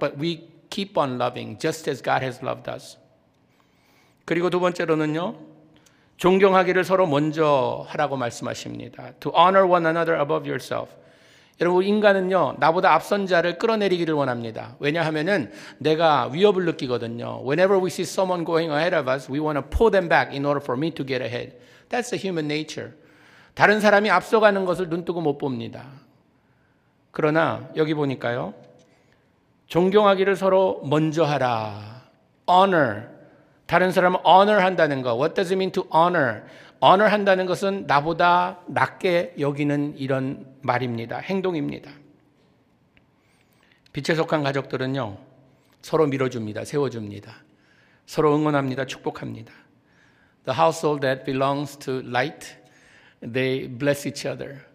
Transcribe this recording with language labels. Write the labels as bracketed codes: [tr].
[en] But we keep on loving, just as God has loved us. [ko] 그리고 두 번째로는요, 존경하기를 서로 먼저 하라고 말씀하십니다. [en] To honor one another above yourself. [ko] 여러분, 인간은요, 나보다 앞선 자를 끌어내리기를 원합니다. 왜냐하면은 내가 위협을 느끼거든요. [en] Whenever we see someone going ahead of us, we want to pull them back in order for me to get ahead. That's the human nature. [ko] 다른 사람이 앞서가는 것을 눈뜨고 못 봅니다. 그러나 여기 보니까요, 존경하기를 서로 먼저 하라. [en] Honor. [ko] 다른 사람을 honor한다는 거. [en] What does it mean to honor? [ko] Honor한다는 것은 나보다 낮게 여기는 이런 말입니다. 행동입니다. 빛에 속한 가족들은요, 서로 밀어줍니다. 세워줍니다. 서로 응원합니다. 축복합니다. [en] The household that belongs to light, they bless each other.